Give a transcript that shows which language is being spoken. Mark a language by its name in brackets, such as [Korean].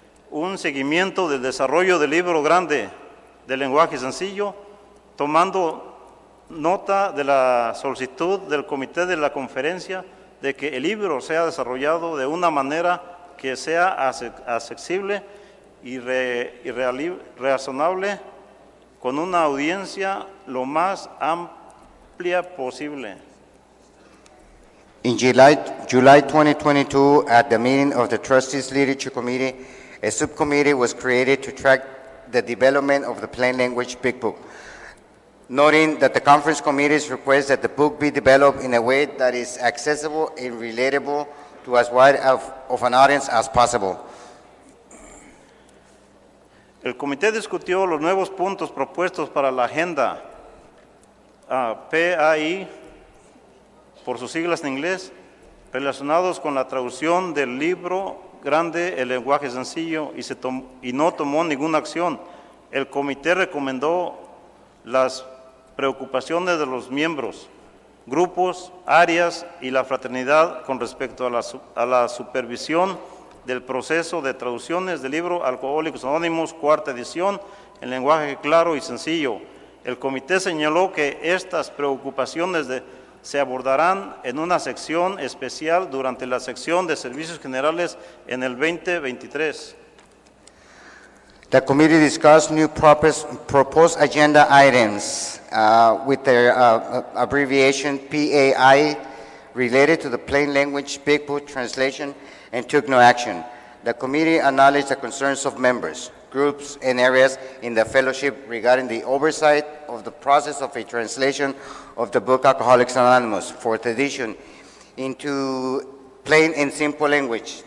[Spanish] un seguimiento del desarrollo del libro grande de lenguaje sencillo, tomando nota de la solicitud del Comité de la Conferencia de que el libro sea desarrollado de una manera que sea accesible y razonable con una audiencia lo más amplia posible. [English] In July 2022, at the meeting of the Trustees Literature Committee, a subcommittee was created to track the development of the plain language big book, noting that the conference committee's request that the book be developed in a way that is accessible and relatable to as wide of an audience as possible. [Spanish] El comité discutió los nuevos puntos propuestos para la agenda PAI, por sus siglas en inglés, relacionados con la traducción del libro grande, el lenguaje sencillo, y no tomó ninguna acción. El comité recomendó las preocupaciones de los miembros, grupos, áreas y la fraternidad con respecto a la supervisión del proceso de traducciones del libro Alcohólicos Anónimos, cuarta edición, en lenguaje claro y sencillo. El comité señaló que estas preocupaciones se abordarán en una sección especial durante la sección de servicios generales en el 2023. [English] The committee discussed new proposed agenda items with their abbreviation PAI related to the plain language big book translation and took no action. The committee acknowledged the concerns of members, groups, and areas in the fellowship regarding the oversight of the process of a translation of the book Alcoholics Anonymous, fourth edition, into plain and simple language.